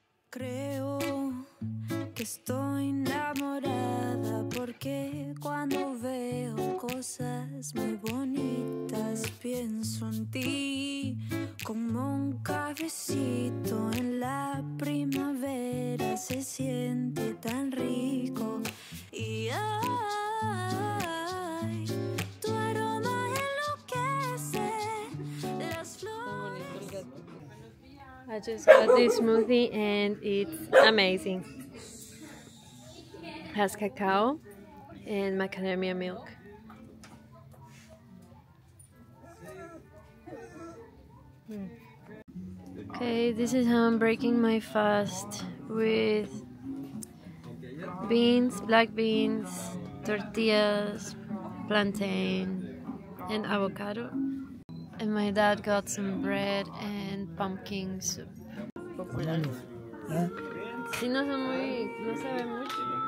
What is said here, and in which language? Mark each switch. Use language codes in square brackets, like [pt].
[es] Creo que estoy enamorada porque cuando veo cosas muy bonitas pienso en ti como un cafecito en la primavera se siente tan rico y ay, tu aroma enloquece las flores. [en] I just got this smoothie and it's amazing. It has cacao and macadamia milk. Okay, this is how I'm breaking my fast with beans, black beans, tortillas, plantain, and avocado. And my dad got some bread and pumpkin soup. Popular. [es] Si no se muy, no se ve mucho.